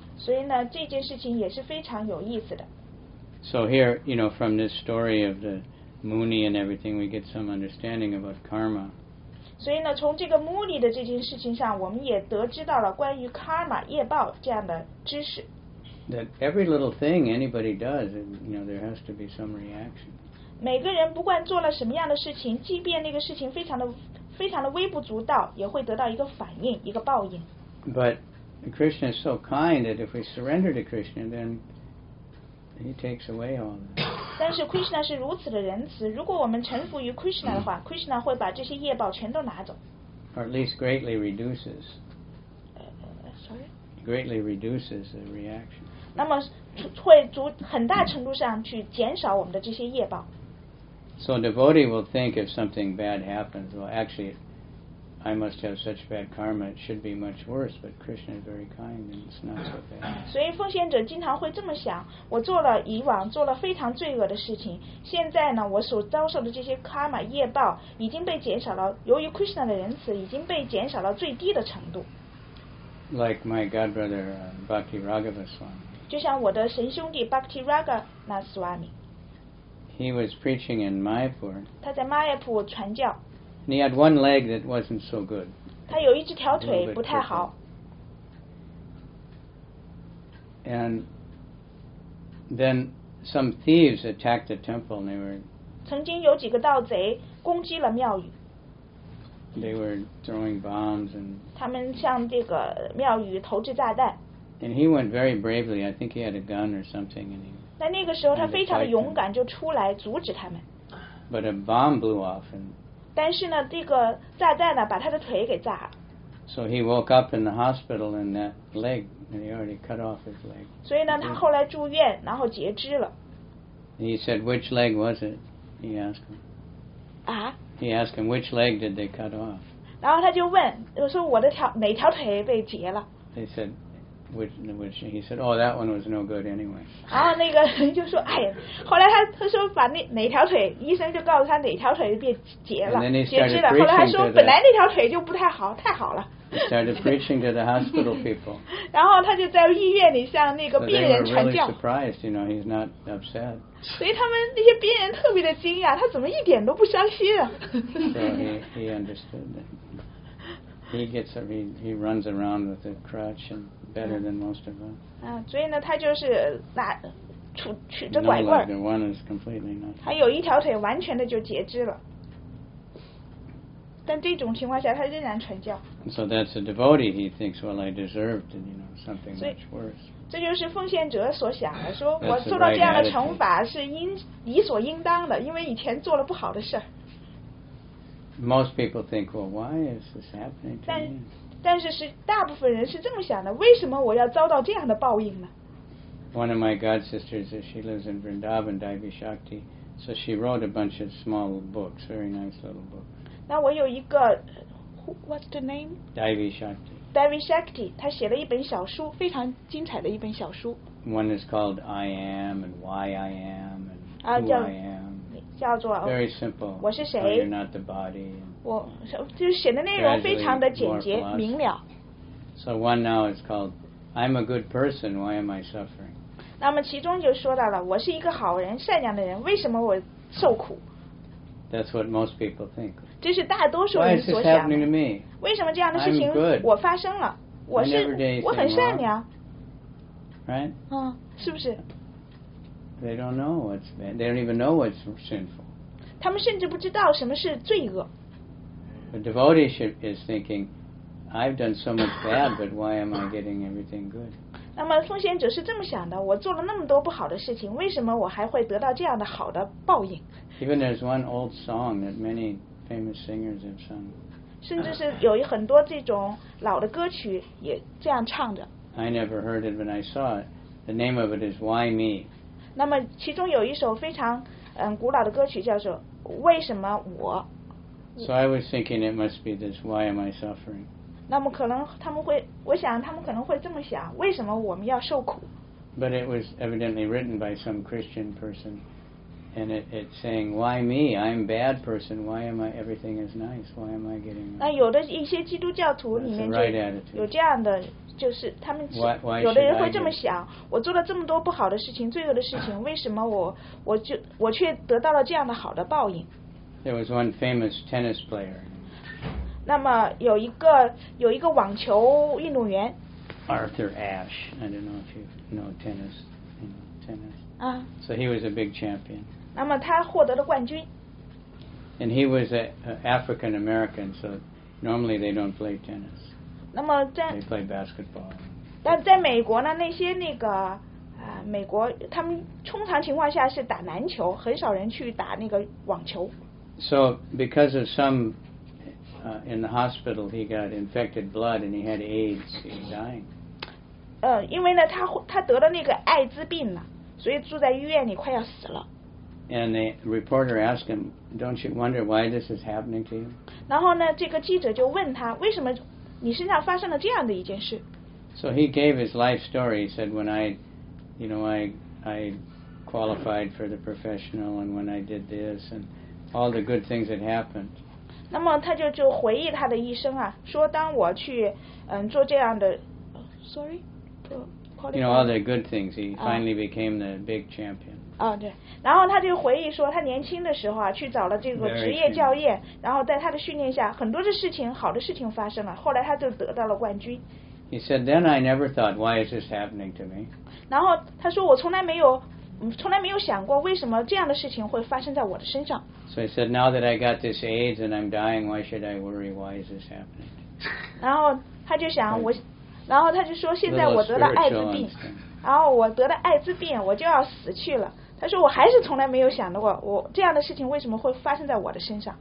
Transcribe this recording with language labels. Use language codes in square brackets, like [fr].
[zh] 所以呢，这件事情也是非常有意思的。 [en] So here, you know, from this story of the Muni and everything, we get some understanding about karma. [zh] 所以呢，从这个 Muni 的这件事情上，我们也得知到了关于 karma 业报这样的知识。 [en] That every little thing anybody does, you know, there has to be some reaction. [zh] 每个人不管做了什么样的事情，即便那个事情非常的微不足道，也会得到一个反应，一个报应。 [en] But Krishna is so kind that if we surrender to Krishna, then he takes away all that. [zh] 但是 Krishna 是如此的仁慈，如果我们臣服于 Krishna 的话，Krishna 会把这些业报全都拿走。 [en] Or at least greatly reduces. Sorry. Greatly reduces the reaction. [zh] 那么会很大程度上去减少我们的这些业报。 [en] So a devotee will think if something bad happens, well, actually, I must have such bad karma, it should be much worse, but Krishna is very kind and it's not so bad. [zh] 所以奉献者经常会这么想，我做了以往做了非常罪恶的事情，现在呢，我所遭受的这些 karma 业报已经被减少了，由于 Krishna 的仁慈已经被减少了最低的程度。 [en] Like my godbrother, Bhakti Raghava Swami. [zh] 就像我的神兄弟 Bhakti Raghava Swami. [en] He was preaching in Mayapur. [zh] 他在 Mayapur 传教。 [en] And he had one leg that wasn't so good. [zh] 他有一只条腿不太好。 [en] And then some thieves attacked the temple, and they were. [zh] 曾经有几个盗贼攻击了庙宇。 [en] They were throwing bombs and. [zh] 他们向这个庙宇投掷炸弹。 [en] And he went very bravely. I think he had a gun or something. And he. [zh] 在那个时候，他非常的勇敢，就出来阻止他们。 [en] But a bomb blew off and. [zh] 但是呢，这个炸弹呢，把他的腿给炸了。 [en] So he woke up in the hospital and that leg, and he already cut off his leg. [zh] 所以呢，他后来住院，然后截肢了。 [en] He said, "Which leg was it?" He asked him. Ah. He asked him, "Which leg did they cut off?" [zh] 然后他就问，我说我的条哪条腿被截了 [en] ？They said, "Which?" He said, "Oh, that one was no good anyway." [zh] 然后那个人就说，哎呀，后来他说把那哪条腿，医生就告诉他哪条腿被截了，截肢了。后来他说，本来那条腿就不太好，太好了。 [en] He started preaching to the hospital people. [zh] 然后他就在医院里向那个病人传教。 [en] So they were really surprised, you know, he's not upset. [zh] 所以他们那些病人特别的惊讶，他怎么一点都不伤心啊？ [en] So he understood that. He runs around with a crutch and better than most of us. [zh] 所以呢，他就是拿杵着拐棍。 [en] No, like the one is completely not. [zh] 他有一条腿完全的就截肢了。但这种情况下，他仍然传教。 [en] So that's a devotee. He thinks, well, I deserved, you know, something much worse. [zh] 这就是奉献者所想的，说我受到这样的惩罚是理所应当的，因为以前做了不好的事。 [en] Most people think, well, why is this happening to me? [zh] 但是是大部分人是这么想的，为什么我要遭到这样的报应呢？ [en] One of my god sisters, she lives in Vrindavan, Divi Shakti, so she wrote a bunch of small books, very nice little books. [zh] 那我有一个 ， [en] What's the name? Divi Shakti. [zh] Divi Shakti, 他写了一本小书，非常精彩的一本小书。 [en] One is called I Am and Why I Am and Who I Am. [zh] 叫做 [en] Very simple. [zh] 我是谁 [en] ？You're not the body. [zh] 我就是写的内容非常的简洁明了。 [en] So one now is called I'm a good person. Why am I suffering? [zh] 那么其中就说到了，我是一个好人、善良的人，为什么我受苦 [en] ？That's what most people think. [zh] 这是大多数人所想的。为什么这样的事情我发生了？我是我很善良。 [en] Right? [zh] 是不是 [en] ？They don't know what's bad. They don't even know what's sinful. [zh] 他们甚至不知道什么是罪恶。 [en] The devotee is thinking, I've done so much bad, but why am I getting everything good? [zh] 那么奉献者是这么想的：我做了那么多不好的事情，为什么我还会得到这样的好的报应 [en] ？Even there's one old song that many. Famous singers have sung. [zh] 甚至是有很多这种老的歌曲也这样唱着。 [en] I never heard it when I saw it. The name of it is Why Me. [zh] 那么其中有一首非常古老的歌曲叫做为什么我。 [en] So I was thinking it must be this. Why am I suffering? [zh] 那么可能他们会，我想他们可能会这么想：为什么我们要受苦 [en] ？But it was evidently written by some Christian person. And it's saying, "Why me? I'm a bad person. Why am I? Everything is nice. Why am I getting?" [zh] 那有的一些基督教徒里面就有这样的，就是他们有的人会这么想：我做了这么多不好的事情、罪恶的事情，为什么我却得到了这样的好的报应 [en] ？There was one famous tennis player. [zh] 那么有一个网球运动员 [en] ，Arthur Ashe. I don't know if you know tennis. Tennis. So he was a big champion. [zh] 那么他获得了冠军。 [en] And he was an African American, so normally they don't play tennis. [zh] 那么在 [en] they play basketball. [zh] 但在美国呢，那些那个美国他们通常情况下是打篮球，很少人去打那个网球。 [en] So because of some in the hospital, he got infected blood and he had AIDS. He was dying. [zh] 因为呢，他得了那个艾滋病了，所以住在医院里快要死了。 [en] And the reporter asked him, "Don't you wonder why this is happening to you?" [zh] 然后呢，这个记者就问他，为什么你身上发生了这样的一件事 [en] ？So he gave his life story. He said, "When I, you know, I qualified for the professional, and when I did this, and all the good things that happened." [zh] 那么他就回忆他的一生啊，说当我去做这样的 [en] You know all the good things. He finally became the big champion. [zh] 对，然后他就回忆说，他年轻的时候啊，去找了这个职业教练，然后在他的训练下，很多的事情，好的事情发生了，后来他就得到了冠军。 [en] He said, "Then I never thought, why is this happening to me?" [zh] 然后他说，我从来没有从来没有想过为什么这样的事情会发生在我的身上。 [en] So he said, now that I got this AIDS and I'm dying, why should I worry? Why is this happening? [zh] 然后他就想我，然后他就说现在我得了艾滋病，然后我得了艾滋病，我就要死去了。他说我还是从来没有想过我这样的事情为什么会发生在我的身上。